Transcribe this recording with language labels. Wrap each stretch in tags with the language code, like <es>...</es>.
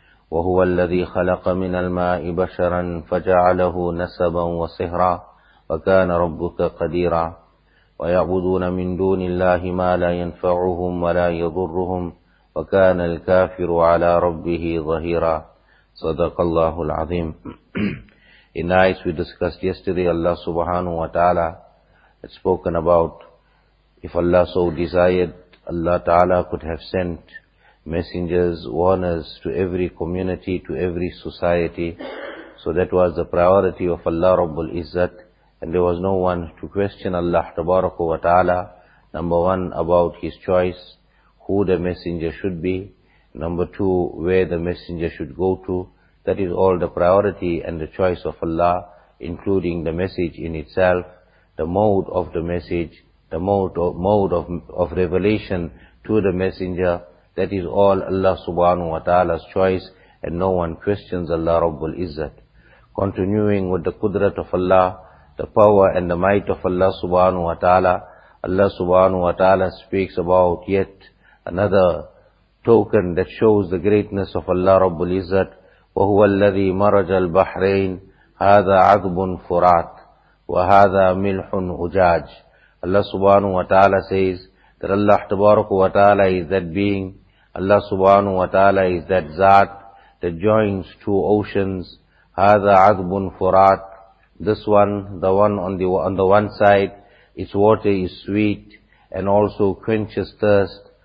<ar>وهو الذي خلق من الماء بشرا فجعله نسبا وصهرا وكان ربك قديرا. ويعبدون من دون الله ما لا ينفعهم ولا يضرهم وكان الكافر على ربه ظهيرا. صدق الله العظيم.</ar> <en>In Nice, we discussed yesterday, Allah subhanahu wa ta'ala had spoken about if Allah so desired, Allah ta'ala could have sent messengers, warners to every community, to every society. So that was the priority of Allah Rabbul Izzat. And there was no one to question Allah tabaraka wa ta'ala, number one, about his choice, who the messenger should be, number two, where the messenger should go to. That is all the priority and the choice of Allah, including the message in itself, the mode of the message, the mode of revelation to the messenger. That is all Allah subhanahu wa ta'ala's choice, and no one questions Allah Rabbul Izzat. Continuing with the Qudrat of Allah, the power and the might of Allah subhanahu wa ta'ala, Allah subhanahu wa ta'ala speaks about yet another token that shows the greatness of Allah Rabbul Izzat.</en> <ar>وهو الذي مرج البحرين هذا عذب فرات وهذا ملح أجاج.</ar> <en>Allah subhanahu wa ta'ala says that Allah tabaraka wa ta'ala is that being, Allah subhanahu wa ta'ala is that zat that joins two oceans.</en> <ar>هذا عذب فرات.</ar> <en>This one, the one on the one side, its water is sweet and also quenches thirst.</en>